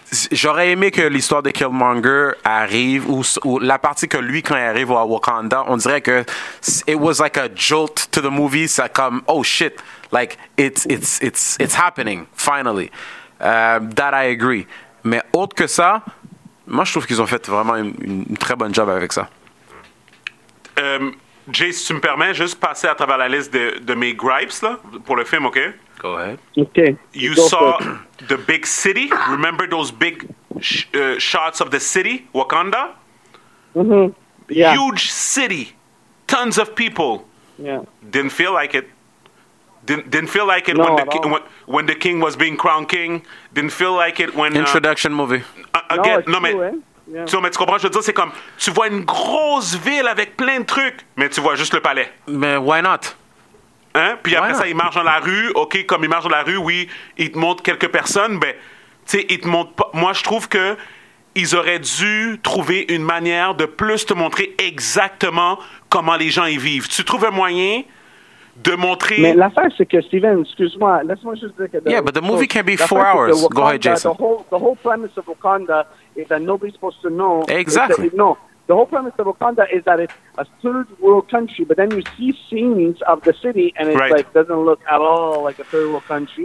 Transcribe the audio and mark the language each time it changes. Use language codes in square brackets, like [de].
[fr] J'aurais aimé que l'histoire de Killmonger arrive, ou la partie que lui, quand il arrive à Wakanda, on dirait que [en] it was like a jolt to the movie, [fr] ça comme, [en] oh shit, like, it's happening, finally. That I agree. [fr] Mais autre que ça, moi je trouve qu'ils ont fait vraiment une très bonne job avec ça. Jay, si tu me permets, juste passer à travers la liste de mes gripes là, pour le film, ok? [en] Go ahead. Okay. You saw the big city. Remember those big shots of the city, Wakanda? Mm-hmm. Yeah. Huge city. Tons of people. Yeah. Didn't feel like it. Didn't feel like it when the king was being crowned king. Didn't feel like it when... Introduction movie. Again, no, mais... Yeah. [fr] Mais tu comprends, je veux dire, c'est comme... Tu vois une grosse ville avec plein de trucs, mais tu vois juste le palais. [en] Mais why not? [fr] Hein? Puis après ça, il marche dans la rue. OK, comme il marche dans la rue, oui, il te montre quelques personnes. Mais, tu sais, il te montre pas. Moi, je trouve qu'ils auraient dû trouver une manière de plus te montrer exactement comment les gens y vivent. Tu trouves un moyen de montrer... Mais l'affaire, c'est que, Steven, excuse-moi, laisse-moi juste dire que... [en] but the movie can be 4 hours. Wakanda, go ahead, Jason. The whole premise of Wakanda is that nobody's supposed to know... Exactly. No, the whole premise of Wakanda is that it's a third world country, but then you see scenes of the city and it's like doesn't look at all like a third world country.